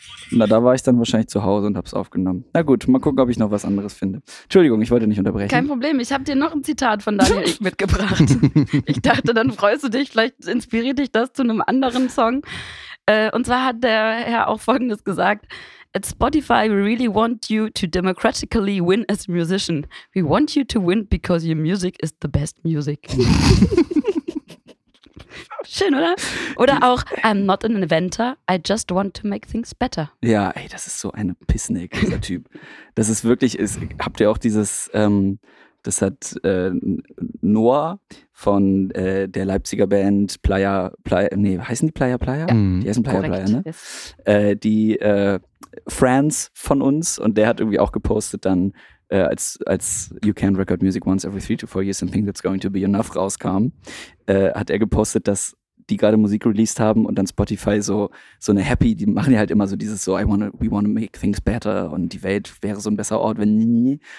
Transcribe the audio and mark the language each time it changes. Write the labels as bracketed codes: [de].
[de] Na, da war ich dann wahrscheinlich zu Hause und hab's aufgenommen. Na gut, mal gucken, ob ich noch was anderes finde. Entschuldigung, ich wollte nicht unterbrechen. Kein Problem, ich habe dir noch ein Zitat von Daniel Ek mitgebracht. Ich dachte, dann freust du dich, vielleicht inspiriert dich das zu einem anderen Song. Und zwar hat der Herr auch Folgendes gesagt. [en] At Spotify, we really want you to democratically win as a musician. We want you to win because your music is the best music. [de] Schön, oder? Oder auch, [en] I'm not an inventor, I just want to make things better. [de] Ja, ey, das ist so eine Pissnick, dieser Typ. Das ist wirklich, habt ihr auch dieses, das hat Noah von der Leipziger Band Playa? Ja. Die heißen Playa Korrekt. Playa, ne? Yes. Die Friends von uns, und der hat irgendwie auch gepostet dann, als You Can't Record Music Once Every 3 to 4 Years and Think That's Going to Be Enough rauskam, hat er gepostet, dass die gerade Musik released haben und dann Spotify so eine Happy, die machen ja halt immer so dieses so, [en] we wanna make things better [de] und die Welt wäre so ein besserer Ort, wenn nie.